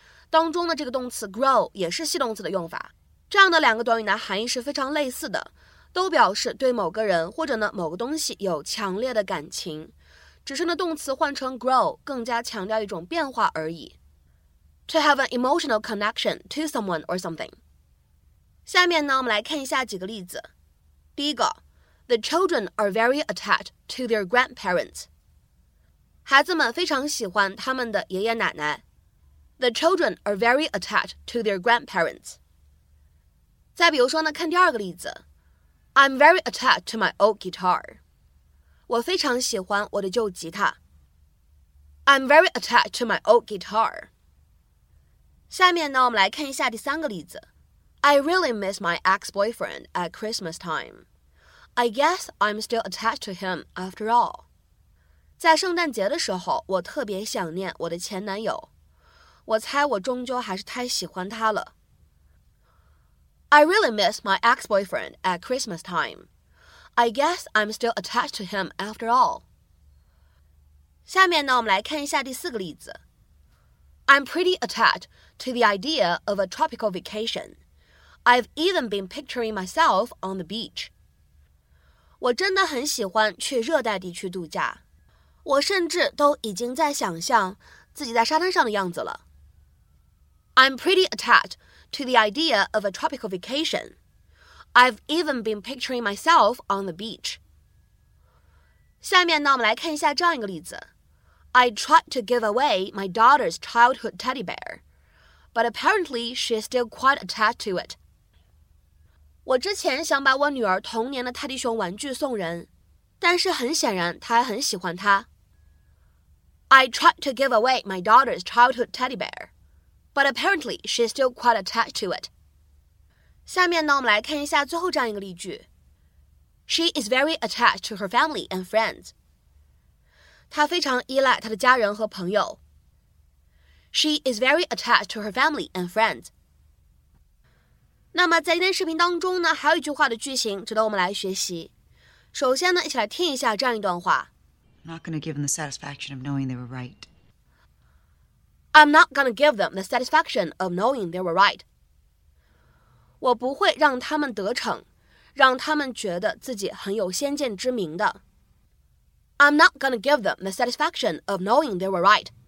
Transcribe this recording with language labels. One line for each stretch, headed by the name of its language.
Chinese: 当中的这个动词 grow 也是系动词的用法，这样的两个短语呢含义是非常类似的，都表示对某个人或者呢某个东西有强烈的感情，只是呢动词换成 grow 更加强调一种变化而已。
English: to have an emotional connection to someone or something.
Chinese: 下面呢，我们来看一下几个例子。第一个
English: ，The children are very attached to their grandparents.
Chinese: 孩子们非常喜欢他们的爷爷奶奶。
English: The children are very attached to their grandparents.
Chinese: 再比如说呢，看第二个例子。
English: I'm very attached to my old guitar.
Chinese: 我非常喜欢我的旧吉他。
English: I'm very attached to my old guitar.
Chinese: 下面呢，我们来看一下第三个例子。
English: I really miss my ex-boyfriend at Christmas time. I guess I'm still attached to him after all.
Chinese: 在圣诞节的时候，我特别想念我的前男友。我猜我终究还是太喜欢他了。
English: I really miss my ex-boyfriend at Christmas time. I guess I'm still attached to him after all.
Chinese: 下面呢，我们来看一下第四个例子。
English: I'm pretty attached to the idea of a tropical vacation. I've even been picturing myself on the beach.
Chinese: 我真的很喜欢去热带地区度假。我甚至都已经在想象自己在沙滩上的样子了。
English: I'm pretty attached. To the idea of a tropical vacation. I've even been picturing myself on the beach.
Chinese: 下面呢，我们来看一下这样一个例子。
English: I tried to give away my daughter's childhood teddy bear, but apparently she is still quite attached to it.
Chinese: 我之前想把我女儿童年的泰迪熊玩具送人，但是很显然她还很喜欢它。
English: I tried to give away my daughter's childhood teddy bear. But apparently, she's still quite attached to it.
Chinese: 下面呢，我们来看一下最后这样一个例句。
English: She is very attached to her family and friends.
Chinese: 她非常依赖她的家人和朋友。
English: She is very attached to her family and friends.
Chinese: 那么在今天视频当中呢，还有一句话的句型值得我们来学习。首先呢，一起来听一下这样一段话。
English: I'm not going to give them the satisfaction of knowing they were right. I'm not going to give them the satisfaction of knowing they were right.
Chinese: 我不会让他们得逞，让他们觉得自己很有先见之明的。
English: I'm not going to give them the satisfaction of knowing they were right.